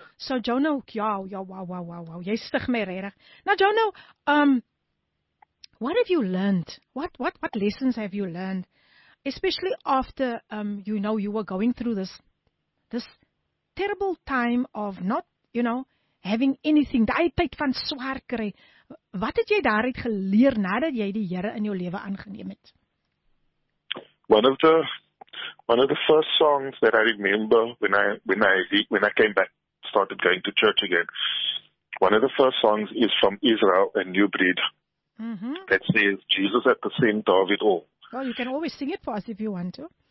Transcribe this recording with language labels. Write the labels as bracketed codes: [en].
[en] So, Jonah, wow. [af] Jy stig my regtig. [en] Now, Jonah, what have you learned? What lessons have you learned? Especially after, you know, you were going through this terrible time of not, you know, having anything. [af] Daai tyd van swaar kry. Wat het jy daaruit geleer nadat jy die Here in jou lewe aangeneem het? [en] One of the first songs that I remember when I came back, started going to church again. One of the first songs is from Israel, A New Breed. Mm-hmm. That says, Jesus at the center of it all. Well, you can always sing it for us if you want to.